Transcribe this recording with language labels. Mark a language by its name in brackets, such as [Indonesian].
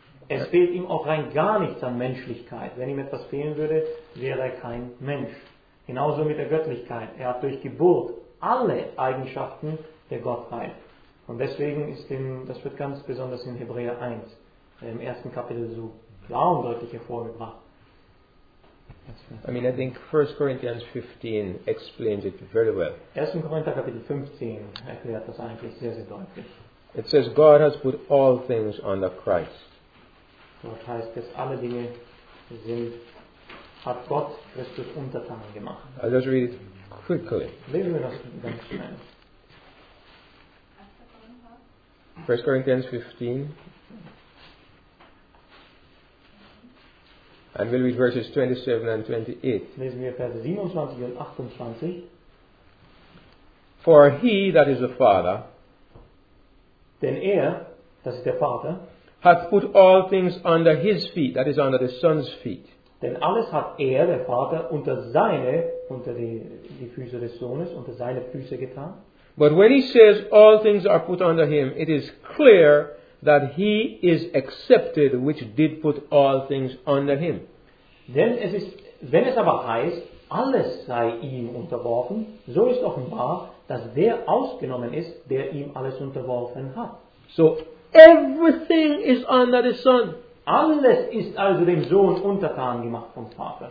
[German] Es fehlt ihm auch rein gar nichts an Menschlichkeit. Wenn ihm etwas fehlen würde, wäre er kein Mensch. Genauso mit der Göttlichkeit. Er hat durch Geburt alle Eigenschaften der Gottheit. Und deswegen ist ihm, das wird ganz besonders in Hebräer 1, im ersten Kapitel so klar und deutlich hervorgebracht. [English] I mean, I think 1 Corinthians 15 explains it very well. [German] 1. Korinther Kapitel 15 erklärt das eigentlich sehr, sehr deutlich. [English] It says, God has put all things under Christ. [German] Dort heißt es, alle Dinge sind, hat Gott Christus untertan gemacht. [English] I'll just read it quickly. [German] Lesen wir das ganz schnell. [English] 1 Corinthians 15. And we'll read verses 27 and 28. [German] Lesen wir Verse 27 und 28. [English] For he, that is the Father, [German] denn er, das ist der Vater, [English] hath put all things under his feet, that is under the Son's feet. [German] Denn alles hat er, der Vater, unter seine, unter die Füße des Sohnes, unter seine Füße getan. [English] But when he says all things are put under him, it is clear that he is accepted which did put all things under him. [German] Denn es ist, wenn es aber heißt, alles sei ihm unterworfen, so ist offenbar, dass der ausgenommen ist, der ihm alles unterworfen hat. [English] So everything is under the Son. [German] Alles ist also dem Sohn untertan gemacht vom Vater.